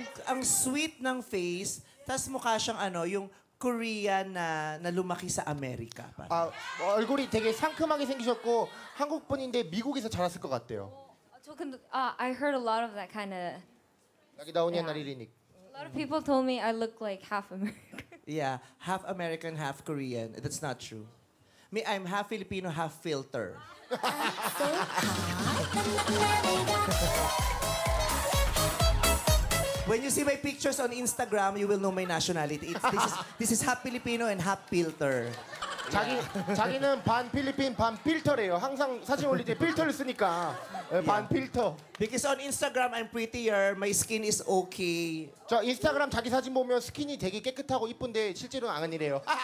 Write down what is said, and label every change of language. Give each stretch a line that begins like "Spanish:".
Filipino: Ang sweet ng face, tas mukha siyang ano, yung Korean na lumaki sa Amerika.
Korean: Egori, 되게 상큼하게 생기셨고 한국 분인데 미국에서 자랐을 것 같대요. 저 근데
English: I heard a lot of that kind of. 여기 나오니 나리리닉. A lot of people told me I look like half American. Yeah, half American, half Korean. That's not true. Me, I'm half Filipino, half filter. When you see my pictures on Instagram, you will know my nationality. This is half Filipino and half filter.
Korean: 자기는 반 필리핀 반 필터래요. 항상 사진 올릴 때 필터를 쓰니까 반 필터.
English: Because on Instagram I'm prettier, my skin is okay.
Korean: 저 인스타그램 자기 사진 보면 스킨이 되게 깨끗하고 이쁜데 실제로는 아니래요.